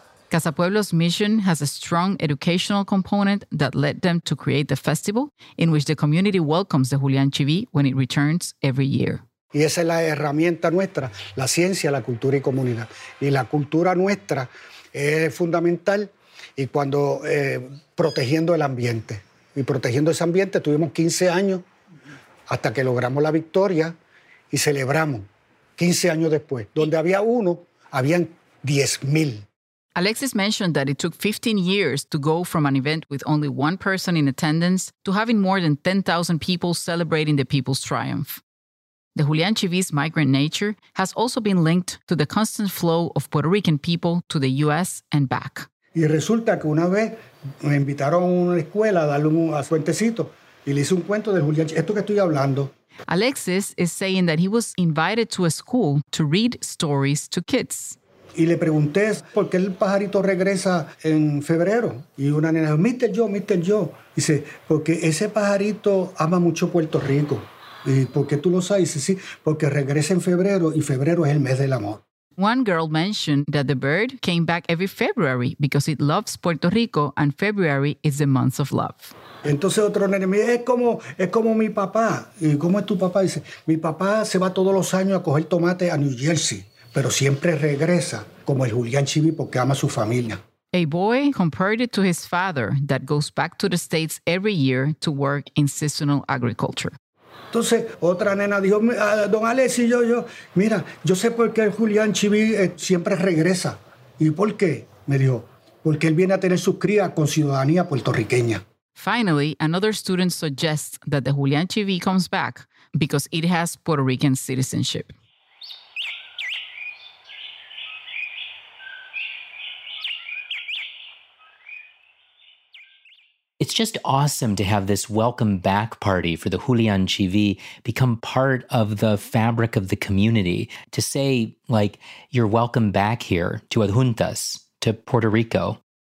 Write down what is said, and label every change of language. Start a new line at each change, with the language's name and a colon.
English: Casa Pueblo's mission has a strong educational component that led them to create the festival in which the community welcomes the Julian Chibi when it returns every year.
Spanish: Y esa es la herramienta nuestra, la ciencia, la cultura y comunidad. Y la cultura nuestra es fundamental y cuando protegiendo el ambiente. Y protegiendo ese ambiente tuvimos 15 años hasta que logramos la victoria y celebramos 15 años después. Donde había uno, habían 10,000.
English: Alexis mentioned that it took 15 years to go from an event with only one person in attendance to having more than 10,000 people celebrating the people's triumph. The Julian Chibi's migrant nature has also been linked to the constant flow of Puerto Rican people to the U.S. and back.
Spanish: Y resulta que una vez me invitaron a una escuela a darle un cuentecito y le hice un cuento del Julian Chibi. Esto que estoy hablando.
English: Alexis is saying that he was invited to a school to read stories to kids.
Spanish: Y le pregunté por qué el pajarito regresa en febrero. Y una nena dijo, Mister Joe. Dice, porque ese pajarito ama mucho Puerto Rico. Y por qué tú lo sabes. Dice, sí, porque regresa en febrero y febrero es el mes del amor.
English: One girl mentioned that the bird came back every February because it loves Puerto Rico, and February is the month of love.
Spanish: Entonces otro nene me dice, es como mi papá. ¿Y cómo es tu papá? Dice, mi papá se va todos los años a coger tomate a New Jersey, pero siempre regresa como el Julián Chibi porque ama a su familia.
English: A boy compared it to his father that goes back to the States every year to work in seasonal agriculture.
Spanish: Entonces, otra nena dijo, don Alessi, yo sé por qué Julián Chibi siempre regresa. ¿Y por qué? Me dijo, porque él viene a tener sus crías con ciudadanía puertorriqueña.
English: Finally, another student suggests that the Julián Chibi comes back because it has Puerto Rican citizenship. It's just awesome to have this welcome back party for the Julián Chibi become part of the fabric of the community, to say, like, you're welcome back here to Adjuntas, to Puerto Rico.